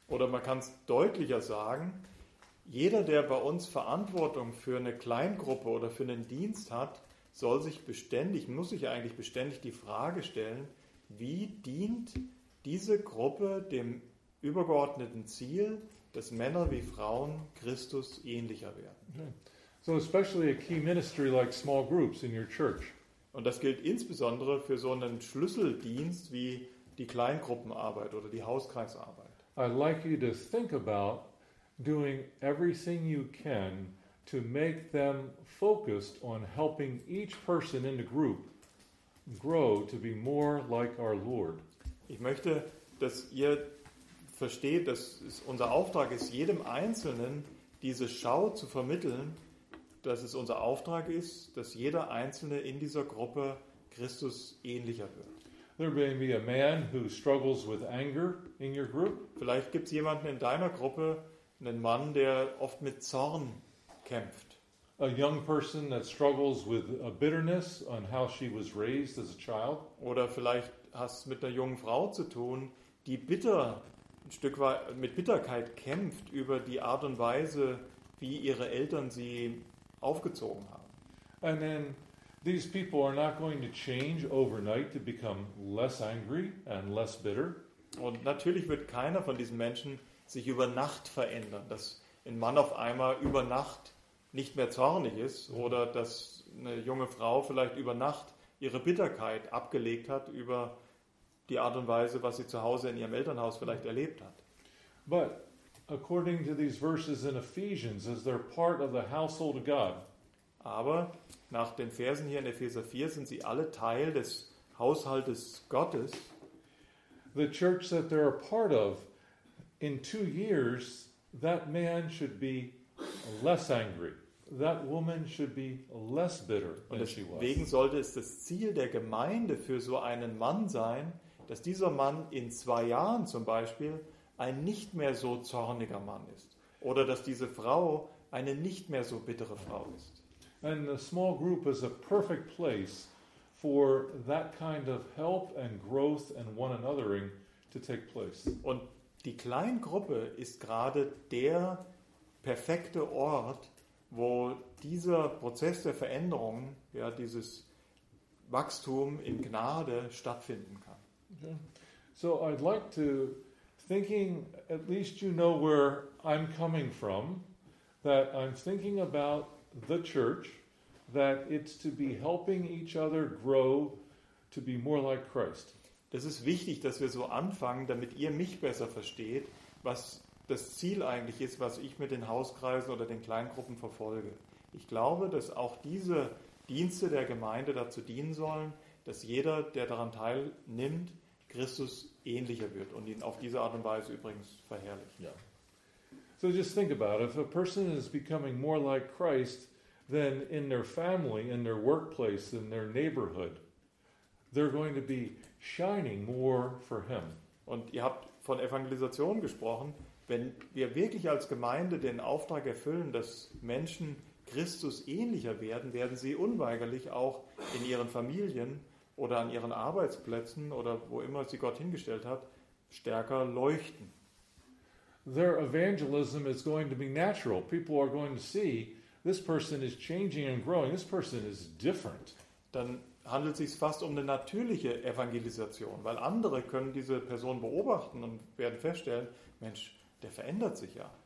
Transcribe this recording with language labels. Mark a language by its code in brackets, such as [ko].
[de] Oder man kann es deutlicher sagen, jeder, der bei uns Verantwortung für eine Kleingruppe oder für einen Dienst hat, muss sich eigentlich beständig die Frage stellen, wie dient diese Gruppe dem übergeordneten Ziel, dass Männer wie Frauen Christus ähnlicher werden. [en] So especially a key ministry like small groups in your church. [de] Und das gilt insbesondere für so einen Schlüsseldienst wie die Kleingruppenarbeit oder die Hauskreisarbeit. [en] I'd like you to think about doing everything you can to make them focused on helping each person in the group grow to be more like our Lord. [de] Ich möchte, dass ihr versteht, dass es unser Auftrag ist, jedem Einzelnen diese Schau zu vermitteln, dass es unser Auftrag ist, dass jeder Einzelne in dieser Gruppe Christus ähnlicher wird. [en] There may be a man who struggles with anger in your group. [de] Vielleicht gibt es jemanden in deiner Gruppe, einen Mann, der oft mit Zorn kämpft. [en] A young person that struggles with a bitterness on how she was raised as a child. [de] Oder vielleicht hast du mit einer jungen Frau zu tun, die bitter, ein Stück weit mit Bitterkeit kämpft über die Art und Weise, wie ihre Eltern sie aufgezogen haben. [en] And then these people are not going to change overnight to become less angry and less bitter. [de] Und natürlich wird keiner von diesen Menschen sich über Nacht verändern, dass ein Mann auf einmal über Nacht nicht mehr zornig ist oder dass eine junge Frau vielleicht über Nacht ihre Bitterkeit abgelegt hat über die Art und Weise, was sie zu Hause in ihrem Elternhaus vielleicht erlebt hat. [en] But according to these verses in Ephesians, as they're part of the household of God. [de] Aber nach den Versen hier in Epheser 4 sind sie alle Teil des Haushaltes Gottes. [en] The church that they're a part of, in 2 years, that man should be less angry. That woman should be less bitter than [de] deswegen [en] she was. [de] Deswegen sollte es das Ziel der Gemeinde für so einen Mann sein, dass dieser Mann in 2 Jahren zum Beispiel ein nicht mehr so zorniger Mann ist. Oder dass diese Frau eine nicht mehr so bittere Frau ist. [en] And the small group is a perfect place for that kind of help and growth and one anothering to take place. [de] Und die Kleingruppe ist gerade der perfekte Ort, wo dieser Prozess der Veränderung, ja, dieses Wachstum in Gnade stattfinden kann. [en] Okay. So I'd like to, thinking, at least you know where I'm coming from, that I'm thinking about the church, that it's to be helping each other grow to be more like Christ. [de] Das ist wichtig, dass wir so anfangen, damit ihr mich besser versteht, was das Ziel eigentlich ist, was ich mit den Hauskreisen oder den Kleingruppen verfolge. Ich glaube, dass auch diese Dienste der Gemeinde dazu dienen sollen, dass jeder, der daran teilnimmt, Christus ähnlicher wird und ihn auf diese Art und Weise übrigens verherrlicht. Ja. [en] So just think about it. If a person is becoming more like Christ, then in their family, in their workplace, in their neighborhood, they're going to be shining more for him. [de] Und ihr habt von Evangelisation gesprochen. Wenn wir wirklich als Gemeinde den Auftrag erfüllen, dass Menschen Christus ähnlicher werden, werden sie unweigerlich auch in ihren Familien oder an ihren Arbeitsplätzen oder wo immer sie Gott hingestellt hat, stärker leuchten. [en] Their evangelism is going to be natural. People are going to see, this person is changing and growing. This person is different. [de] Dann handelt es sich fast um eine natürliche Evangelisation, weil andere können diese Person beobachten und werden feststellen, Mensch, der verändert sich ja.